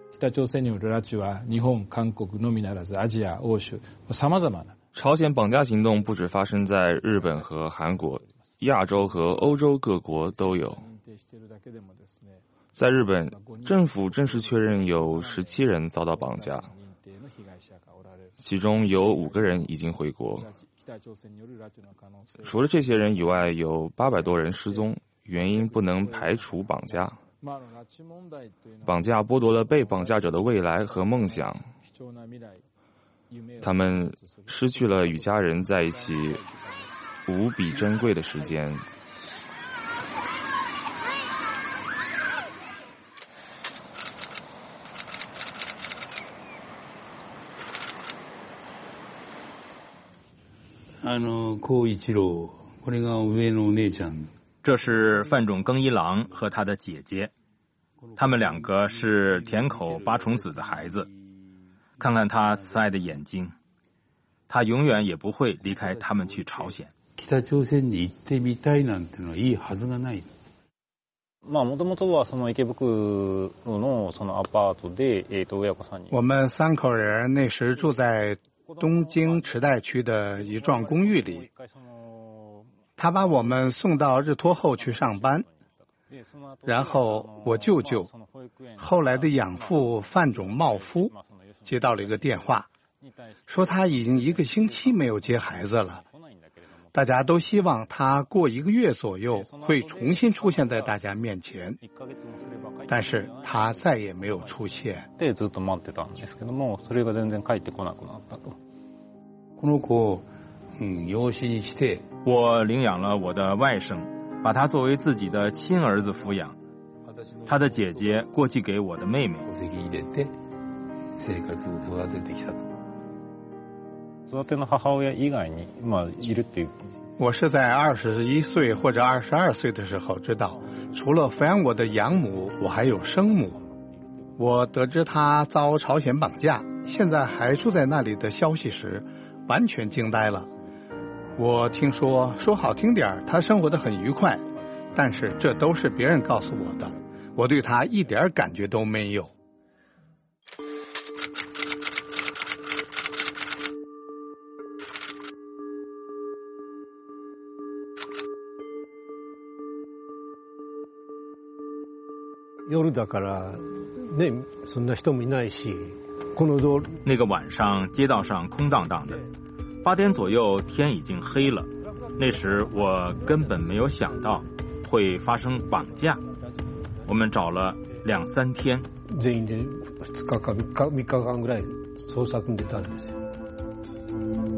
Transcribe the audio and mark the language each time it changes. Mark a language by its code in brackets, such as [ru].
[ja] 朝鮮による拉致は日本、韓国のみならずアジア、欧州、さまざまな。 [zh] 朝鮮绑架行动不止发生在日本和韩国，亚洲和欧洲各国都有。在日本，政府正式确认有17人遭到绑架，其中有5个人已经回国。除了这些人以外，有800多人失踪，原因不能排除绑架。绑架剥夺了被绑架者的未来和梦想，他们失去了与家人在一起无比珍贵的时间。 [ja] 高一郎，これが上のお姉ちゃん。 [zh] 这是范仲耕一郎和他的姐姐，他们两个是田口八重子的孩子。看看他慈爱的眼睛，他永远也不会离开他们去朝鲜。 [ja] 北朝鲜に行ってみたいなんてのはいいはずがない。まあ元々はその池袋のそのアパートで、親子さんに。 [zh] 我们三口人那时住在东京池袋区的一幢公寓里，他把我们送到日托后去上班，然后我舅舅，后来的养父范仲茂夫。接到了一个电话，说他已经一个星期没有接孩子了，大家都希望他过一个月左右会重新出现在大家面前，但是他再也没有出现。 [ja] でずっと待ってたんですけども、それが全然帰ってこなくなったと。この子、養子にして、 [zh] 我领养了我的外甥，把他作为自己的亲儿子抚养，他的姐姐过继给我的妹妹。 [ja] 戸籍入れて。生活を育ててきたと。育ての母親以外に、まあ、いるっていう。 [zh] 我是在21岁或者22岁的时候知道，除了抚养我的养母，我还有生母。我得知她遭朝鲜绑架，现在还住在那里的消息时，完全惊呆了。我听说，说好听点，她生活得很愉快，但是这都是别人告诉我的，我对她一点感觉都没有。 [ja] 夜だからね、そんな人もいないし、この道。 [zh] 那个晚上街道上空荡荡的，八点左右天已经黑了。那时我根本没有想到会发生绑架。我们找了两三天。 [ja] 全員で2日か3日間ぐらい捜索に出たんですよ。